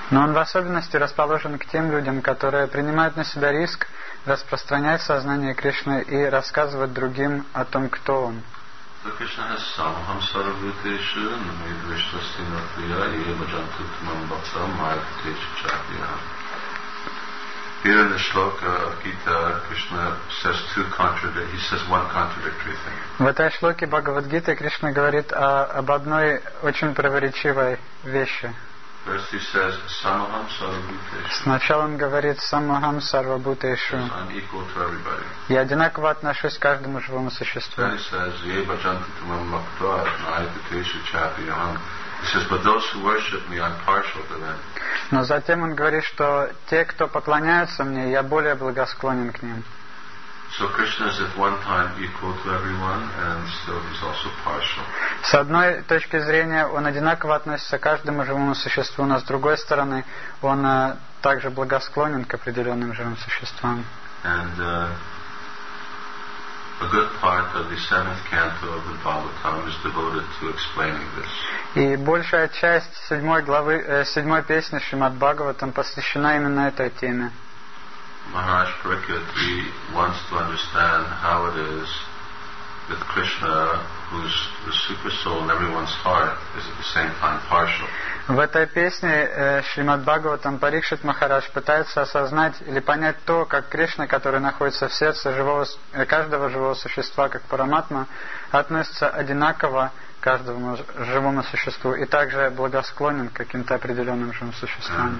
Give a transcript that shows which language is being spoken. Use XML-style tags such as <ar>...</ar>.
<ru>Но он в особенности расположен к тем людям, которые принимают на себя риск распространять сознание Кришны и рассказывать другим о том, кто он.</ru> <sa>So Krishna has Samaham Saravutesha, Namid Vishwasinatriya, Yevajantutman Bhatta, Mayavutesha Chakriya.</sa> <en>Here in the shloka of Gita, Krishna says one contradictory thing.</en> <ru>В этой шлоке Бхагавадгиты Кришна говорит об одной очень противоречивой вещи.</ru> <en>First he says</en> <sa>Samaham Saravutesha.</sa> <ru>Сначала он говорит</ru> <sa>Самахам Сарвабутешу.</sa> <en>I'm equal to everybody.</en> <ru>Я одинаково отношусь к каждому живому существу.</ru> <en>Then he says</en> <sa>Yevajantutman Bhatta, Mayavutesha Chakriya.</sa> <en>He says, but those who worship me, I'm partial to them.</en> <ru>Но затем он говорит, что те, кто поклоняются мне, я более благосклонен к ним.</ru> <en>So Krishna is at one time equal to everyone, and so he's also partial.</en> <ru>С одной точки зрения он одинаково относится к каждому живому существу, но с другой стороны он также благосклонен к определенным живым существам.</ru> <en>And a good part of the seventh canto of the Bhagavatam is devoted to explaining this.</en> <ru>И большая часть седьмой главы, седьмой песни Шримад Бхагаватам посвящена именно этой теме.</ru> <en>Maharaj Parikshit, he wants to understand how it is with Krishna, who's the super soul in everyone's heart, is at the same time partial.</en> <ru>В этой песне Шримад Бхагаватам Парикшит Махарадж пытается осознать или понять то, как Кришна, который находится в сердце живого, каждого живого существа, как Параматма, относится одинаково к каждому живому существу и также благосклонен к каким-то определенным живым существам.</ru>